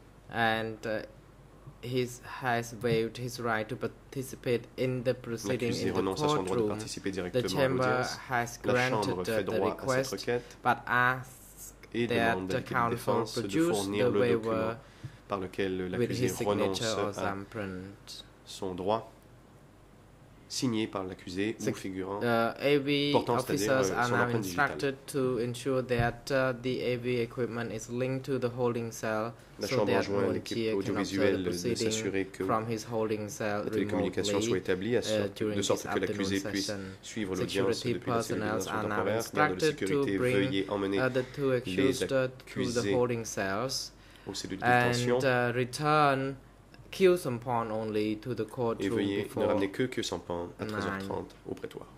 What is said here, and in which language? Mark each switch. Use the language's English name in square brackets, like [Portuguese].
[English] And he has waived his right to participate in the proceeding in the courtroom. The chamber has granted the request, but asks that the counsel produce the waiver [French] par lequel l'accusé renonce à son droit signé par l'accusé ou figurant [English] AV officers are now instructed to ensure that the AV equipment is linked to the holding cell so that Nguyen-Chia can observe the proceeding from his holding cell remotely during this afternoon session. Security personnel are now instructed to bring the two accused to the holding cells and return Kyu Sampan only to the courtroom [French] et veuillez [English] before [French] ne ramener que Kyu Sampan à 13h30 au prétoire.